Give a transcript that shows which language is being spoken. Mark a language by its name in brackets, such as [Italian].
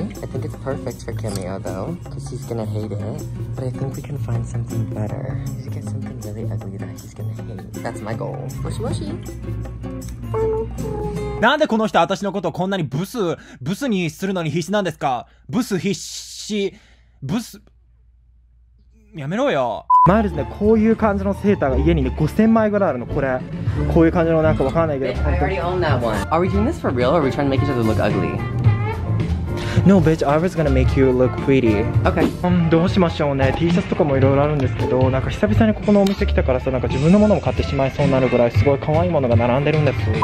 [English] I think it's perfect for Cameo though, cause she's gonna hate itBut I think we can find something better. You should get something really ugly that he's gonna hate. That's my goal. [Japanese] もしもし。なんでこの人私のことをこんなにブスにするのに必死なんですか。ブス必死。ブス。やめろよ。マイルズね、こういう感じのセーターが家にね、5000枚ぐらいあるの、これ。こういう感じのなんかわかんないけど。 [English] I already own that one. Are we doing this for real or are we trying to make each other look ugly? No, bitch, I was gonna make you look pretty. Okay. [Japanese] どうしましょうね。 T シャツとかもいろいろあるんですけど、なんか久々にここのお店来たからさ、なんか自分のものも買ってしまいそうになるぐらいすごい可愛いものが並んでるんです。